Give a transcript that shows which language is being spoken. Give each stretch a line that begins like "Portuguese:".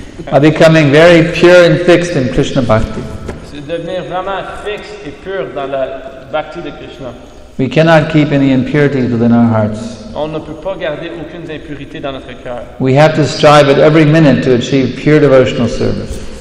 English: By becoming very pure and fixed in Krishna Bhakti.
French: C'est devenir vraiment fixe et pur dans la bhakti de Krishna.
English: We cannot keep any impurities within our hearts.
French: On ne peut pas garder aucune impurité dans notre cœur.
English: We have to strive at every minute to achieve pure devotional service.